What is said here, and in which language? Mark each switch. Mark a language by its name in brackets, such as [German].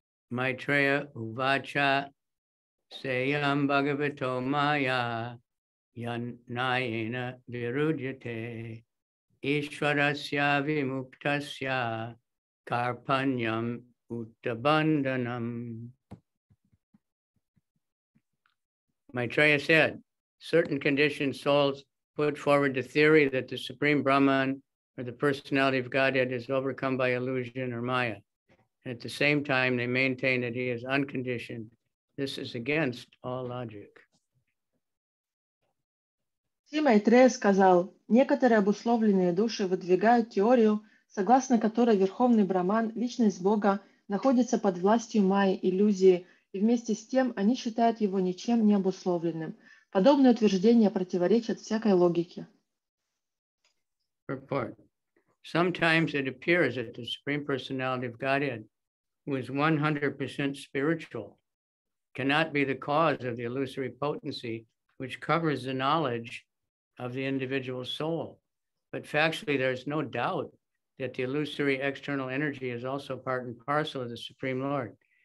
[Sanskrit] Майтрея увача сеям бхагавато майя янайна вируджате ишварасья вимуктасья карпаньям уттабанданам. [English] Майтрея said, certain conditioned souls put forward the theory that the Supreme Brahman or the Personality of Godhead is overcome by illusion or Maya. And at the same time, they maintain that he is unconditioned. This is against all logic. [Russian] Майтрея сказал, некоторые обусловленные души выдвигают теорию, согласно которой Верховный Брахман, Личность Бога, находится под властью Майи, иллюзии, и вместе с тем они считают его ничем не обусловленным. Подобные утверждения противоречат всякой логике. [English] Report. Sometimes it appears that the Supreme Personality of Godhead, who is 100% spiritual, cannot be the cause of the illusory potency which covers the knowledge of the individual soul. But factually, there is no doubt that the illusory external energy is also part and parcel of the Supreme Lord.